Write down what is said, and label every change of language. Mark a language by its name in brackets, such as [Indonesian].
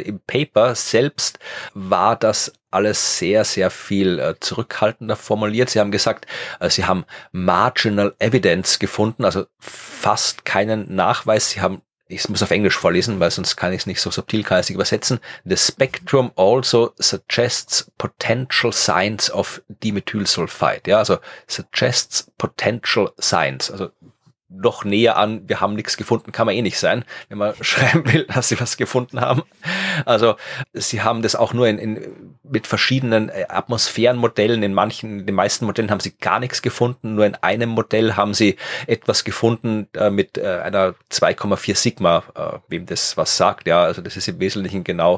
[German] Im Paper selbst war das alles sehr, sehr viel zurückhaltender formuliert. Sie haben gesagt, sie haben [English] marginal evidence [German] gefunden, also fast keinen Nachweis. Sie haben, ich muss auf Englisch vorlesen, weil sonst kann ich es nicht so subtil geistig übersetzen. [English] The spectrum also suggests potential signs of Dimethylsulfide. [German] Ja, also [English] suggests potential signs. [German] Also noch näher an, wir haben nichts gefunden, kann man eh nicht sein, wenn man schreiben will, dass sie was gefunden haben. Also sie haben das auch nur mit verschiedenen Atmosphärenmodellen, in den meisten Modellen haben sie gar nichts gefunden, nur in einem Modell haben sie etwas gefunden mit einer 2,4 Sigma, wem das was sagt, ja, also das ist im Wesentlichen genau.